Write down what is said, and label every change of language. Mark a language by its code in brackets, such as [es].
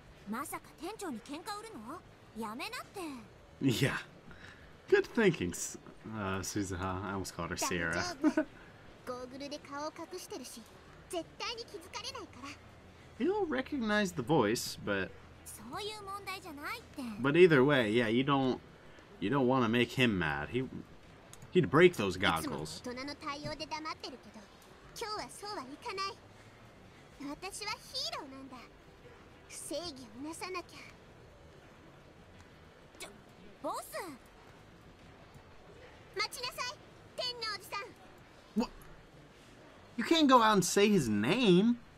[ja] まさか店長に喧嘩売るの？やめなって。 [en] Yeah. Good thinking, Suzuha. I almost called her Sierra. [ja] ゴーグルで顔を隠してるし絶対に気づかれないから。 [en] He'll recognize the voice, but [ja] そういう問題じゃないって。 [en] But either way, yeah, you don't want to make him mad. He'd break those goggles. [ja] いつも大人の対応で黙ってるけど、今日はそうはいかない。私はヒーローなんだ。正義をなさなきゃ。ちょ、ボス。待ちなさい、天のおじさん。 [en] What? You can't go out and say his name.